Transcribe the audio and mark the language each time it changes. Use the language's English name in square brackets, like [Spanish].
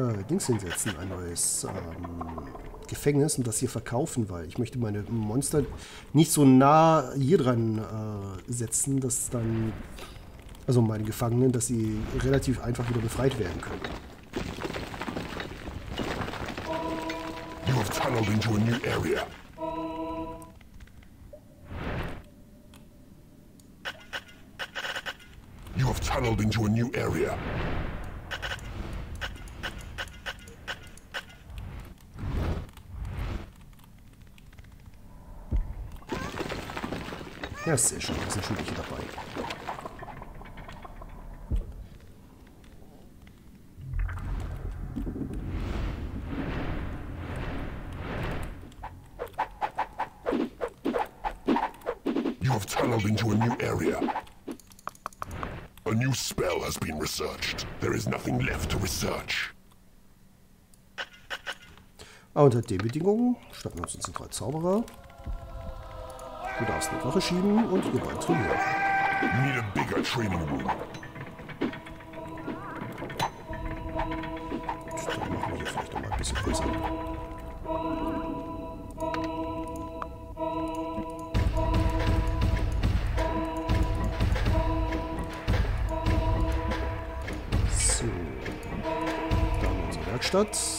[German] Dings hinsetzen, ein neues Gefängnis und das hier verkaufen, weil ich möchte meine Monster nicht so nah hier dran setzen, dass dann, also meine Gefangenen, dass sie relativ einfach wieder befreit werden können. [English] You have tunneled into a new area. You have tunneled into a new area. [German] Ja, ist sehr schön, da sind Schuldige dabei. [English] You have tunneled into a new area. A new spell has been researched. There is nothing left to research. [German] Ah, unter den Bedingungen starten wir uns unsere drei Zauberer. Du darfst eine Wache schieben und ihr beiden trainieren. [English] You need a bigger training room. [German] Dann machen wir hier vielleicht nochmal ein bisschen größer. So. Dann unsere Werkstatt.